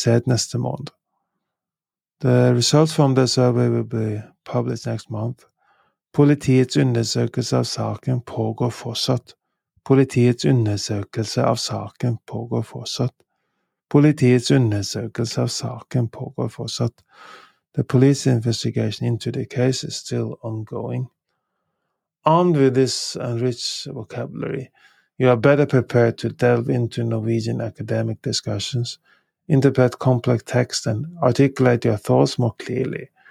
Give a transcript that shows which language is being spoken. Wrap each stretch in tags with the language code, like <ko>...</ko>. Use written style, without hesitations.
<en>The results from the survey will be published next month.</en> <no>Politiets undersøkelse av saken pågår fortsatt.</no> <en>The police investigation into the case is still ongoing. Armed with this enriched vocabulary, you are better prepared to delve into Norwegian academic discussions, interpret complex texts, and articulate your thoughts more clearly.</en>